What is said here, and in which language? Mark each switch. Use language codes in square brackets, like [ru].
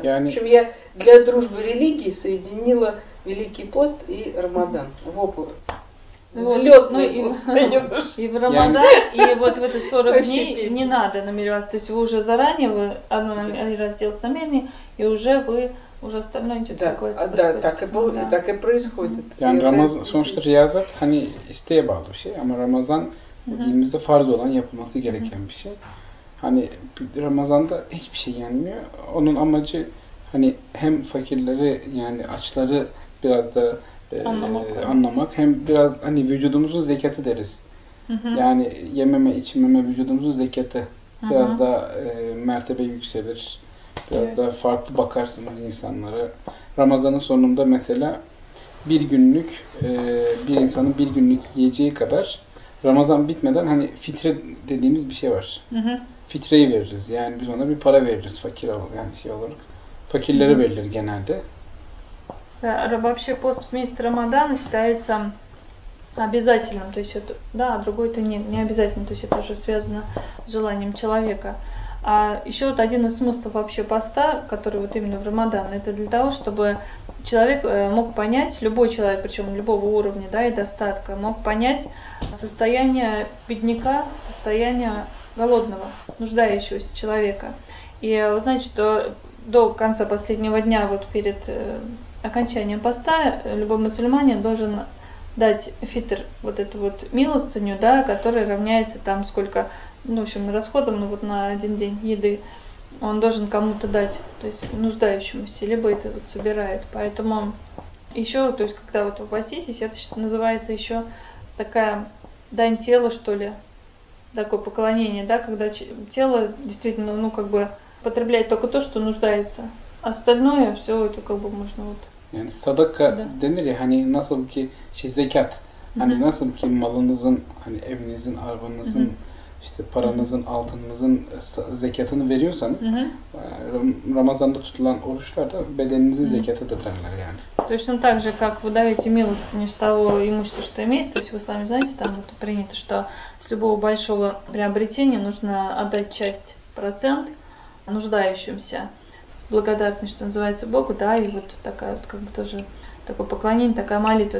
[ru] Я не... В общем, я для дружбы религии соединила Великий пост и Рамадан. Вопу. Взлетный и в Рамадан, и вот в этот 40 дней не надо намереваться. То есть вы уже заранее, вы одно раздел с намерением, и уже вы уже остальное идет какое-то. Да, так и происходит. [tr] Рамазан, Рамазан dediğimizde farz olan, yapılması gereken bir şey. Hani Ramazan'da hiçbir şey yenmiyor. Onun amacı hani hem fakirleri yani açları biraz da anlamak, hem biraz hani vücudumuzun zekatı deriz. Yani yememe, içmeme vücudumuzun zekatı. Biraz daha mertebe yükselir. Biraz daha farklı bakarsınız insanlara. Ramazan'ın sonunda mesela bir günlük bir insanın bir günlük yiyeceği kadar Ramazan bitmeden hani fitre dediğimiz bir şey var. Fitreyi veririz. Yani biz ona bir para veririz fakir olarak. Yani şey olarak. Fakirlere verilir genelde. [ru] Вообще пост в месяц Рамадан считается обязательным. То есть это, да, другой это не обязательно. То есть это уже связано с желанием человека. А еще вот один из смыслов вообще поста, который вот именно в Рамадан, это для того, чтобы человек мог понять, любой человек, причем любого уровня, да, и достатка, мог понять состояние бедняка, состояние голодного, нуждающегося человека. И вы знаете, что до конца последнего дня, вот перед окончанием поста, любой мусульманин должен дать фитр, вот эту вот милостыню, да, которая равняется там сколько, ну, в общем, расходам, ну, вот на один день еды, он должен кому-то дать, то есть нуждающемуся, либо это вот собирает. Поэтому еще, то есть, когда вот вы поститесь, это называется еще такая дань тела, что ли, такое поклонение, да, когда тело действительно, ну, как бы потребляет только то, что нуждается. Остальное все это как бы можно вот... [tr] Yani sadaka denir ya hani nasıl ki şey zekat hani nasıl ki malınızın hani evinizin arabanızın işte paranızın altınızın zekatını veriyorsanız Ramazan'da tutulan oruçlar da bedeninizin zekatı da derler yani. [ru] Точно так же как вы даете милостыню с того имущества, что имеется, то есть вы сами знаете, там это принято, что с любого большого приобретения нужно отдать часть процент нуждающимся. Благодарность, что называется, Богу, да, и вот такая вот, как бы тоже, такое поклонение, такая молитва.